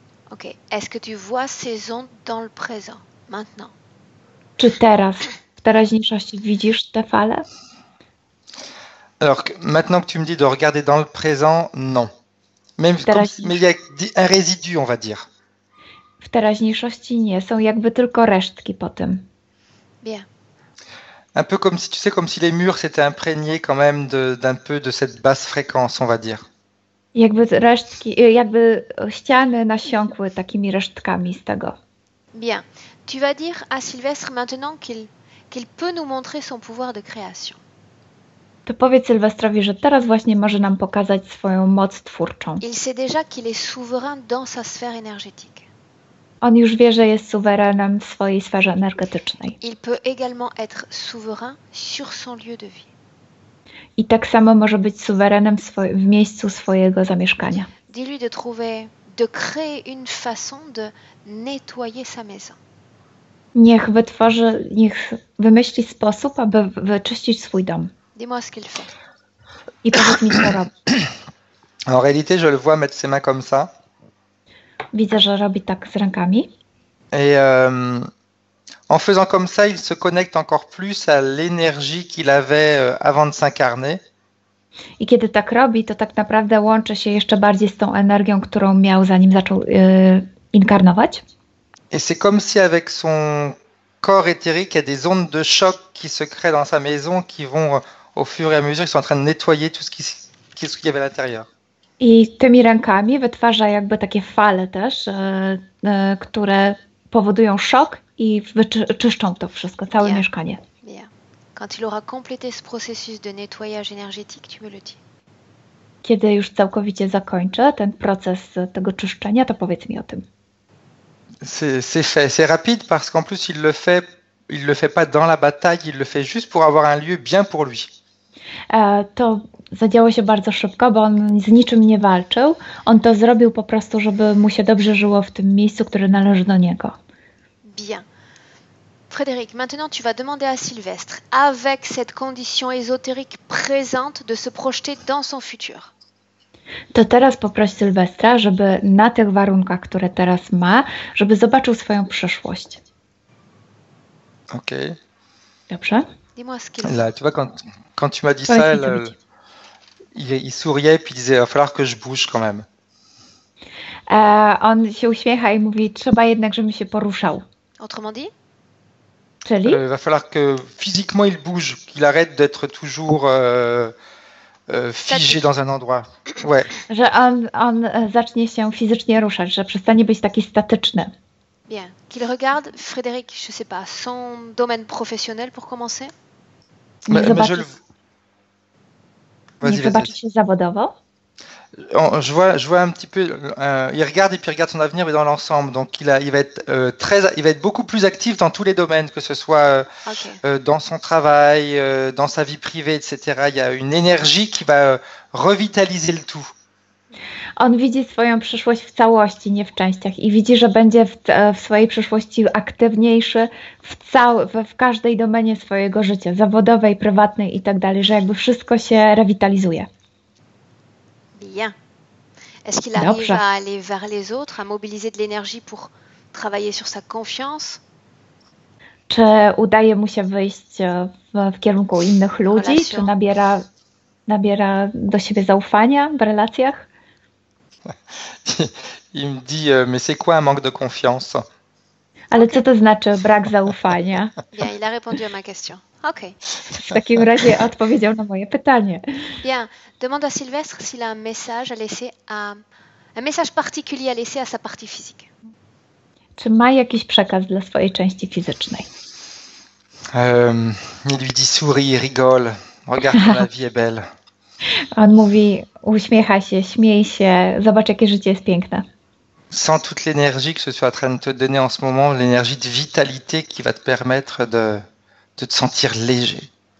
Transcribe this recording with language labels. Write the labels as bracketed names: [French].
[English] Ok. [French] Est-ce que tu vois ces ondes dans le présent, maintenant? [Polish] Czy teraz, w teraźniejszości, widzisz te fale? [French] Alors, maintenant que tu me dis de regarder dans le présent, non. Même mais il y a un résidu, on va dire. [Polish] W teraźniejszości nie, są jakby tylko resztki po tym. [French] Bien. Un peu comme si, tu sais, comme si les murs s'étaient imprégnés quand même d'un peu de cette basse fréquence, on va dire. [Polish] Jakby resztki, jakby ściany nasiąkły takimi resztkami z tego. [French] Bien. Tu vas dire à Sylvestre maintenant qu'il peut nous montrer son pouvoir de création. [Polish] To powiedz Sylwestrowi, że teraz właśnie może nam pokazać swoją moc twórczą. [French] Il sait déjà qu'il est souverain dans sa sphère énergétique. [Polish] On już wie, że jest suwerenem w swojej sferze energetycznej. [French] Il peut également être souverain sur son lieu de vie. [Polish] I tak samo może być suwerenem w miejscu swojego zamieszkania. [French] Dis-lui de trouver, de créer une façon de nettoyer sa maison. [Polish] Niech wytworzy, niech wymyśli sposób, aby wyczyścić swój dom. [French] Dis-moi ce qu'il fait. [Polish] I powiedz mi, co robi. [French] En réalité, je le vois mettre ses mains comme ça. [Polish] Widzę, że robi tak z rękami. [French] Et en faisant comme ça, il se connecte encore plus à l'énergie qu'il avait avant de s'incarner. [Polish] I kiedy tak robi, to tak naprawdę łączy się jeszcze bardziej z tą energią, którą miał zanim zaczął inkarnować. [French] Et c'est comme si avec son corps éthérique, il y a des ondes de choc qui se créent dans sa maison qui vont au fur et à mesure, ils sont en train de nettoyer tout ce qu'il y avait à l'intérieur. [Polish] I tymi rękami wytwarza jakby takie fale też, które powodują szok i czyszczą to wszystko, całe [French] bien, [Polish] mieszkanie. [French] Bien. Quand il aura complété ce processus de nettoyage énergétique, tu me le dis. [Polish] Kiedy już całkowicie zakończę ten proces tego czyszczenia, to powiedz mi o tym. [French] C'est fait, c'est rapide parce qu'en plus il le fait pas dans la bataille, il le fait juste pour avoir un lieu bien pour lui. [Polish] To zadziało się bardzo szybko, bo on z niczym nie walczył. On to zrobił po prostu, żeby mu się dobrze żyło w tym miejscu, które należy do niego. [French] Bien. Frédéric, maintenant tu vas demander à Sylvestre, avec cette condition ésotérique présente, de se projeter dans son futur. [Polish] To teraz poproś Sylwestra, żeby na tych warunkach, które teraz ma, żeby zobaczył swoją przyszłość. [English] Ok. [Polish] Dobrze. [French] Dis-moi ce qu'il fait. Là, tu vois, quand tu m'as dit ça, il souriait et puis disait, il va falloir que je bouge quand même. [Polish] On się uśmiecha i mówi, trzeba jednak, żebym się poruszał. [French] Autrement dit? [Polish] Czyli? [French] Il va falloir que physiquement il bouge, qu'il arrête d'être toujours figé dans un endroit. Ouais. [Polish] Że on zacznie się fizycznie ruszać, że przestanie być taki statyczny. [French] Bien. Qu'il regarde, Frédéric, je sais pas, son domaine professionnel pour commencer. [Polish] Zobaczy się zawodowo. [French] Je vois un petit peu. Il regarde et puis regarde son avenir, mais dans l'ensemble. Donc il va être beaucoup plus actif dans tous les domaines, que ce soit dans son travail, dans sa vie privée, etc. Il y a une énergie qui va revitaliser le tout. [Polish] On widzi swoją przyszłość w całości, nie w częściach. I widzi, że będzie w swojej przyszłości aktywniejszy w każdej domenie swojego życia, zawodowej, prywatnej i tak dalej, że jakby wszystko się rewitalizuje. [French] Bien. Est-ce qu'il arrive à aller vers les autres, à mobiliser de l'énergie pour travailler sur sa confiance? [Polish] Czy udaje mu się wyjść w kierunku innych ludzi? Relation. Czy nabiera do siebie zaufania w relacjach? [French] Il me dit, mais c'est quoi un manque de confiance? [Polish] Ale okay. Co to znaczy brak zaufania? [French] Bien, il a répondu à ma question. [English] Ok. [Polish] W takim razie odpowiedział na moje pytanie. [French] Bien, demande à Sylvestre s'il a un message à laisser un message particulier à laisser à sa partie physique. [Polish] Czy ma jakiś przekaz dla swojej części fizycznej? [French] Il lui dit souris, rigole, regarde comme la vie est belle. [Polish] On mówi, uśmiecha się, śmiej się, zobacz, jakie życie jest piękne. [French] Sans toute l'énergie que je suis en train de te donner en ce moment, l'énergie de vitalité qui va te permettre de te sentir léger.